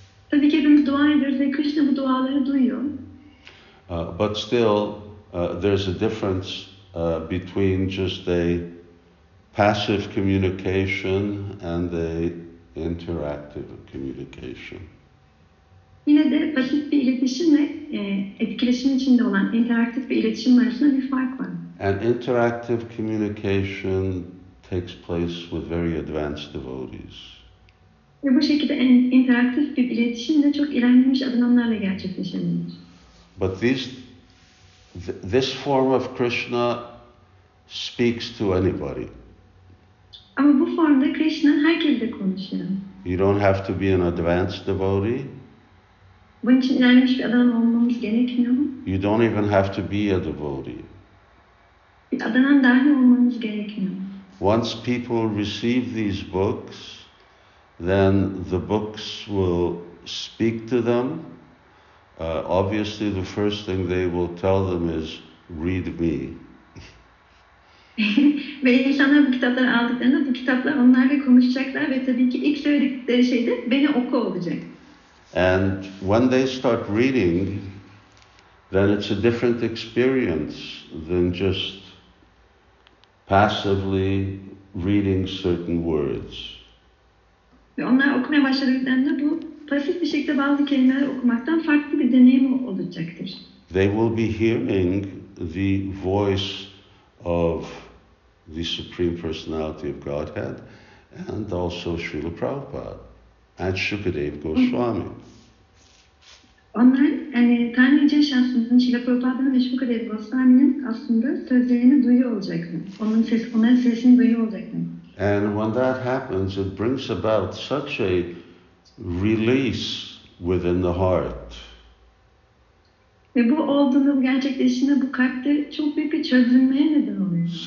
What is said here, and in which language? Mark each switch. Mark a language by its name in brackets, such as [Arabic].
[Turkish] Tabii ki hepimiz dua ediyoruz ve Krishna bu duaları duyuyor. [English] But still, there's a difference between just a passive communication and a interactive communication. [Turkish] Yine de basit bir iletişimle etkileşim içinde olan interaktif bir iletişim arasında bir fark var. [English] An interactive communication takes place with very advanced devotees. [Turkish] Ve bu şekilde interaktif bir iletişim de çok ilerlemiş adamlarla gerçekleşebilir. [English] But this form of Krishna speaks to anybody. [Turkish] Ama bu formda Krishna herkesle konuşuyor. [English] You don't have to be an advanced devotee. [Turkish] Bunun için ilerlemiş bir adam olmamız gerekmiyor. [English] You don't even have to be a devotee. [Turkish] Bir adanan dahi olmamız gerekmiyor. [English] Once people receive these books, then the books will speak to them. Obviously, the first thing they will tell them is, read me. [Turkish] Ve insanlar bu kitapları aldıklarında bu kitaplar onlarla konuşacaklar ve tabii ki ilk söyledikleri şey de beni oku olacak. [English] And when they start reading, then it's a different experience than just passively reading certain words. [Turkish] Ve onlar okumaya başladıklarında bu pasif bir şekilde bazı kelimeler okumaktan farklı bir deneyim olacaktır. [English] They will be hearing the voice of the Supreme Personality of Godhead and also Srila Prabhupada and Shukadeva Goswami. [Turkish] Onlar Tanrı Yüce Şahsımızın, Srila Prabhupada'nın ve Shukadeva Goswami'nin aslında sözlerini duyuyor olacaklar. Onların sesini duyuyor olacaklar. [English] And when that happens, it brings about such a release within the heart. [Turkish] Ve bu olduğunda, bu gerçekleştiğinde bu kalpte çok büyük bir çözülmeye neden oluyor.